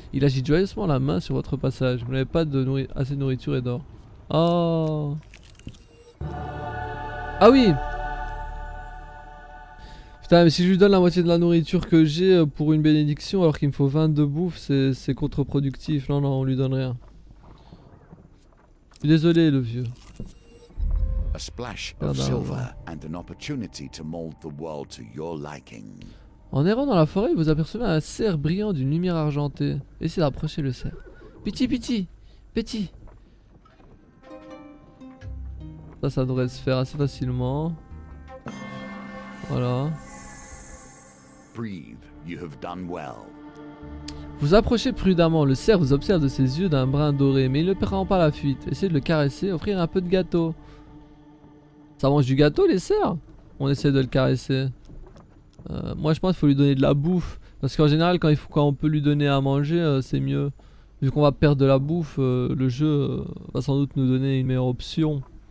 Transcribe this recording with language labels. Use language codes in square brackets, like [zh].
[fr] Il agit joyeusement la main sur votre passage. Vous n'avez pas assez de nourriture et d'or. Oh. Ah oui. Putain, mais si je lui donne la moitié de la nourriture que j'ai pour une bénédiction alors qu'il me faut 22 bouffe, c'est contre-productif. Non, non, on lui donne rien. Désolé, le vieux. [en] A splash of silver and an opportunity to mold the world to your liking. [fr] En errant dans la forêt, vous apercevez un cerf brillant d'une lumière argentée. Essayez d'approcher le cerf. Petit. Ça devrait se faire assez facilement. Voilà. [en] Breathe, you have done well. [fr] Vous approchez prudemment, le cerf vous observe de ses yeux d'un brun doré, mais il ne prend pas la fuite. Essayez de le caresser, offrir un peu de gâteau. Ça mange du gâteau, les cerfs? On essaie de le caresser. Moi, je pense qu'il faut lui donner de la bouffe. Parce qu'en général, quand on peut lui donner à manger, c'est mieux. Vu qu'on va perdre de la bouffe, le jeu va sans doute nous donner une meilleure option.